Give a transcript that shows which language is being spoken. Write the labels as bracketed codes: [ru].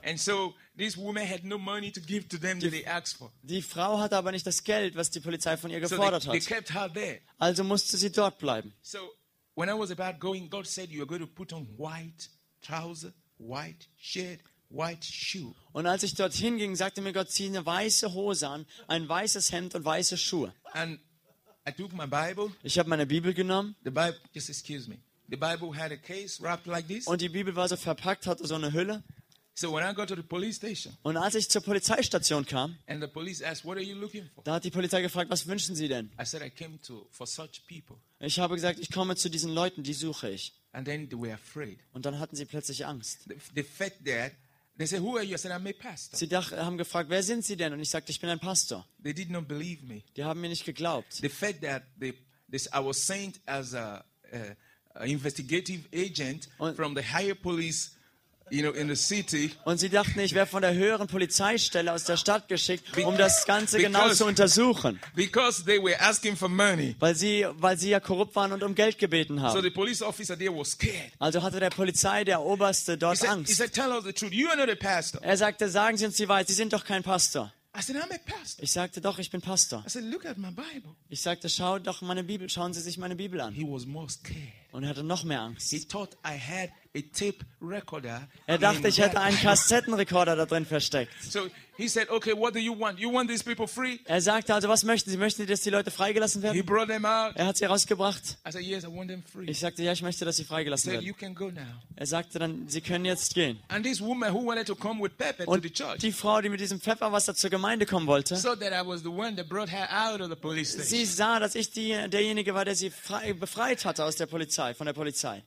[en] And so this woman had no money to give to them that they asked for. [de] Die Frau hatte aber nicht das Geld, was die Polizei von ihr gefordert hat. [en] They kept her there. [de] Also musste sie dort bleiben. [en] So when I was about going, God said, you are going to put on white trousers, white shirt, white shoe. [de] Und als ich dorthin ging, sagte mir Gott, zieh eine weiße Hose an, ein weißes Hemd und weiße Schuhe. [en] And I took my Bible. [de] Ich habe meine Bibel genommen. [en] The Bible, just excuse me. The Bible had a case wrapped like this. [de] Und die Bibel war so verpackt, hatte so eine Hülle. [en] So when I got to the police station, [de] und als ich zur Polizeistation kam, [en] and the police asked, what are you looking for? [de] Da hat die Polizei gefragt, was wünschen Sie denn? [en] I said, I came to, for such people. [de] Ich habe gesagt, ich komme zu diesen Leuten, die suche ich. [en] And then they were afraid. [de] Und dann hatten sie plötzlich Angst. [en] The fact that they said, who are you? I said, I'm a pastor. [de] Sie haben gefragt, wer sind Sie denn? Und ich sagte, ich bin ein Pastor. [en] They did not believe me. [de] Die haben mir nicht geglaubt. [en] The fact that I was sent as an investigative agent from the higher police, you know, in the city. [de] Und sie dachten, ich wäre von der höheren Polizeistelle aus der Stadt geschickt, um das Ganze genau zu untersuchen. [en] Because they were asking for money. [de] Weil sie ja korrupt waren und um Geld gebeten haben. [en] So the police officer there was scared. [de] Also hatte der Polizei, der Oberste, dort Angst. [en] He said, tell us the truth. You are not a pastor. [de] Er sagte, sagen Sie uns die Wahrheit, Sie sind doch kein Pastor. [en] I said, I'm a pastor. [de] Ich sagte, doch, ich bin Pastor. [en] I said, look at my Bible. [de] Ich sagte, schau doch meine Bibel, schauen Sie sich meine Bibel an. [en] He was more scared. [de] Und er hatte noch mehr Angst. [en] He thought I had a tape recorder. [de] Er dachte, ich hätte einen Kassettenrekorder da drin versteckt. [en] So he said, okay, what do you want? You want these people free? [de] Er sagte, also was möchten Sie? Möchten Sie, dass die Leute freigelassen werden? [en] He brought them out. [de] Er hat sie rausgebracht. [en] I said, yes, I want them free. [de] Ich sagte, ja, ich möchte, dass sie freigelassen werden. [en] You can go now. [de] Er sagte dann, sie können jetzt gehen. [en] And this woman who wanted to come with pepper [de] und [en] to the church. [de] Die Frau, die mit diesem Pfefferwasser zur Gemeinde kommen wollte. [en] So that I was the one that brought her out of the police station. [de] Sie sah, dass ich derjenige war, der sie befreit hatte aus der Polizei. Polizei, von der Polizei.